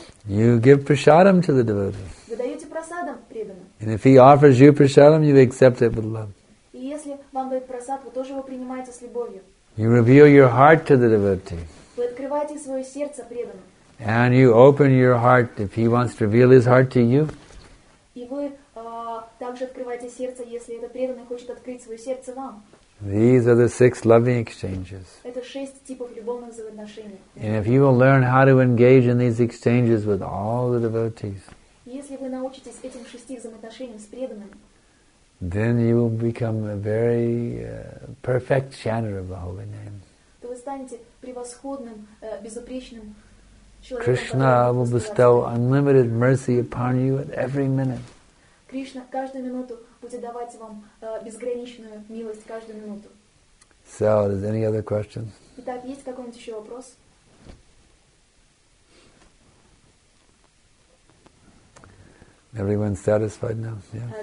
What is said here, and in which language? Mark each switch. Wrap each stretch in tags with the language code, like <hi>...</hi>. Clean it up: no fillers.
<en>You give prasadam to the devotee.</en> <ru>Вы даете прасадам преданному.</ru> <en>And if he offers you prasadam, you accept it with love.</en> <ru>И если вам дают прасад, вы тоже его принимаете с любовью.</ru> <en>You reveal your heart to the devotee.</en> <ru>Вы открываете свое сердце преданному.</ru> <en>And you open your heart if he wants to reveal his heart to you.</en> <ru>И вы также открываете сердце, если этот преданный хочет открыть свое сердце вам.</ru> <en>These are the six loving exchanges.</en> <ru>Это шесть типов любовных взаимоотношений.</ru> <en>And if you will learn how to engage in these exchanges with all the devotees,</en> <ru>если вы научитесь этим шести взаимоотношениям с преданным,</ru> <en>then you will become a very perfect chanter of the holy name.</en> <ru>То вы станете превосходным, безупречным.</ru> <en>Krishna will bestow unlimited mercy upon you at every minute.</en> <ru>Кришна каждую минуту будет давать вам безграничную милость каждую минуту.</ru> <en>So, is there any other questions?</en> <ru>Итак, есть какой-нибудь еще вопрос?</ru> <en>Everyone satisfied now? Yeah.</en>